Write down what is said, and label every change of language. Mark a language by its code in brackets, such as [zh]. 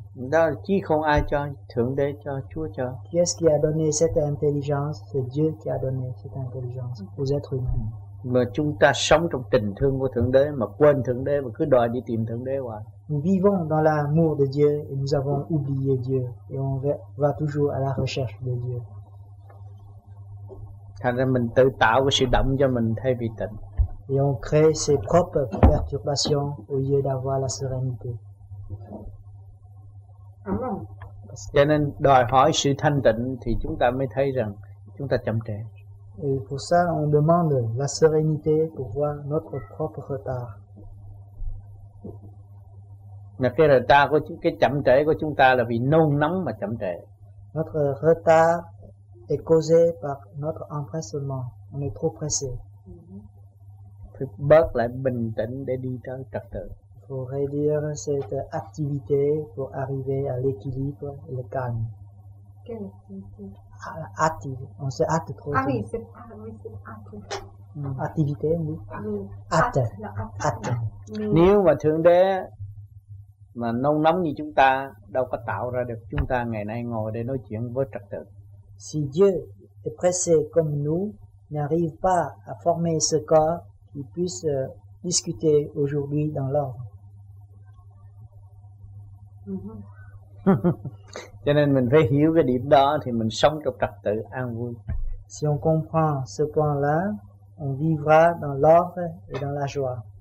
[vi] Đó là chi không ai cho, Thượng Đế cho, Chúa cho. [fr] Qui est-ce qui a donné cette intelligence? C'est Dieu qui a donné cette intelligence aux êtres humains. [vi] Mà chúng ta sống trong tình thương của Thượng Đế mà quên Thượng Đế mà cứ đòi đi tìm Thượng Đế hoài. [fr] Nous vivons dans l'amour de Dieu et nous avons oublié Dieu et on va toujours à la recherche de Dieu. [vi] Thành ra mình tự tạo cái sự động cho mình thay vì tịnh. [fr] Et on crée ses propres perturbations au lieu d'avoir la sérénité. [vi] Cho nên đòi hỏi sự thanh tịnh thì chúng ta mới thấy rằng chúng ta chậm trễ. [fr] Et pour ça, on demande la sérénité pour voir notre propre retard. [vi] Mà cái retard của chúng, cái chậm trễ của chúng ta là vì nôn nóng mà chậm trễ. [fr] Notre retard est causé par notre empressement. On est trop pressé. [vi] Phải bớt lại bình tĩnh để đi tới trật tự. [fr] Pour réduire cette activité pour arriver à l'équilibre et le calme. Quelle activité? Active. On se hâte trop. Ah oui, c'est activité. Activité, oui. Hâte. Hâte. [vi] Nếu mà Thượng Đế mà nông nóng như chúng ta, đâu có tạo ra được chúng ta ngày nay ngồi để nói chuyện với trật tự. [fr] Si Dieu est pressé comme nous, n'arrive pas à former ce corps qui puisse discuter aujourd'hui dans l'ordre. [vi] Cho nên mình phải hiểu cái điểm đó thì mình sống trong trật tự an vui. [fr] Si on comprend ce point-là, on vivra dans l'ordre et dans la joie.